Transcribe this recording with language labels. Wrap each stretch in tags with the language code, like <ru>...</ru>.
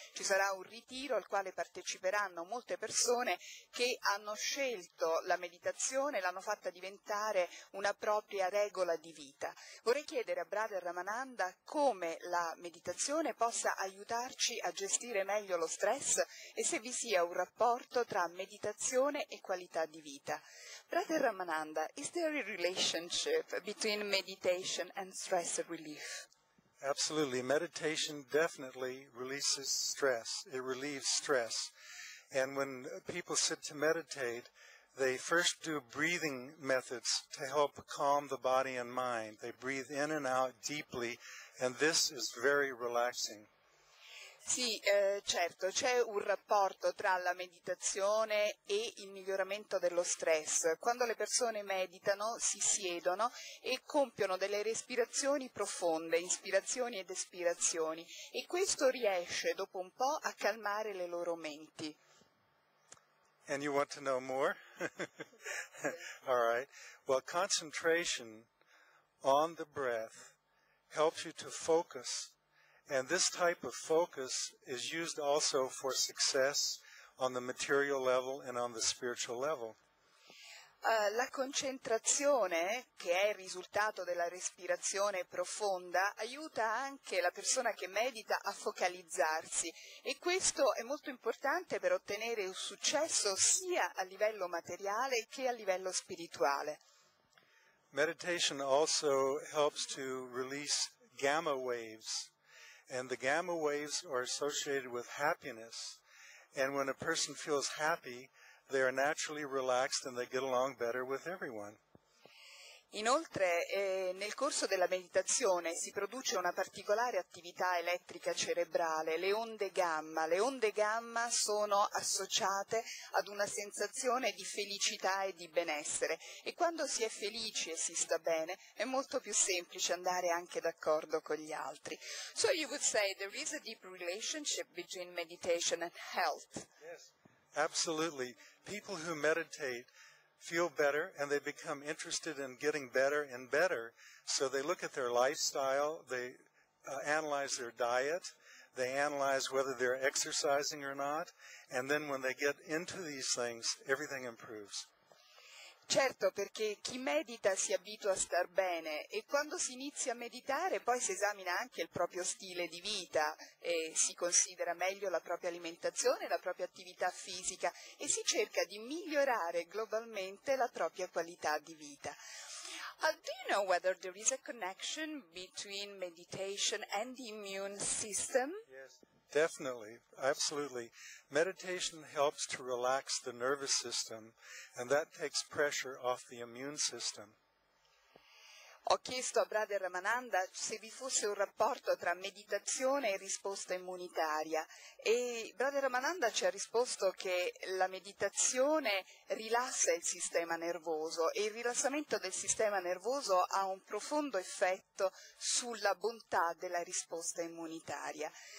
<it>Ci sarà un ritiro al quale parteciperanno molte persone che hanno scelto la meditazione, l'hanno fatta diventare una propria regola di vita. Vorrei chiedere a Brother Ramananda come la meditazione possa aiutarci a gestire meglio lo stress e se vi sia un rapporto tra meditazione e qualità di vita.</it> <en>Brother Ramananda, is there a relationship between meditation and stress? Relief. Absolutely. Meditation definitely releases stress. It relieves stress. And when people sit to meditate, they first do breathing methods to help calm the body and mind. They breathe in and out deeply, and this is very relaxing.</en> <it>Sì, certo, c'è un rapporto tra la meditazione e il miglioramento dello stress. Quando le persone meditano, si siedono e compiono delle respirazioni profonde, inspirazioni ed espirazioni, e questo riesce dopo un po' a calmare le loro menti.</it> <en>And you want to know more? All right. Well, concentration on the breath helps you to focus. And this type of focus is used also for success on the material level and on the spiritual level.</en> <it>La concentrazione, che è il risultato della respirazione profonda, aiuta anche la persona che medita a focalizzarsi e questo è molto importante per ottenere un successo sia a livello materiale che a livello spirituale.</it> <en>Meditation also helps to release gamma waves, and the gamma waves are associated with happiness. And when a person feels happy, they are naturally relaxed and they get along better with everyone.</en> <it>Inoltre, nel corso della meditazione si produce una particolare attività elettrica cerebrale, le onde gamma. Le onde gamma sono associate ad una sensazione di felicità e di benessere. E quando si è felici e si sta bene, è molto più semplice andare anche d'accordo con gli altri.</it> <en>So you would say there is a deep relationship between meditation and health. Yes, absolutely. People who meditate feel better and they become interested in getting better and better. So they look at their lifestyle, they analyze their diet, they analyze whether they're exercising or not, and then when they get into these things, everything improves.</en> <it>Certo, perché chi medita si abitua a star bene e quando si inizia a meditare poi si esamina anche il proprio stile di vita e si considera meglio la propria alimentazione, la propria attività fisica e si cerca di migliorare globalmente la propria qualità di vita.</it> <en>Do you know whether there is a connection between meditation and the immune system? Yes, definitely, absolutely. Meditation helps to relax the nervous system, and that takes pressure off the immune system.</en> <it>Ho chiesto a Brother Ramananda se vi fosse un rapporto tra meditazione e risposta immunitaria e Brother Ramananda ci ha risposto che la meditazione rilassa il sistema nervoso e il rilassamento del sistema nervoso ha un profondo effetto sulla bontà della risposta immunitaria.</it>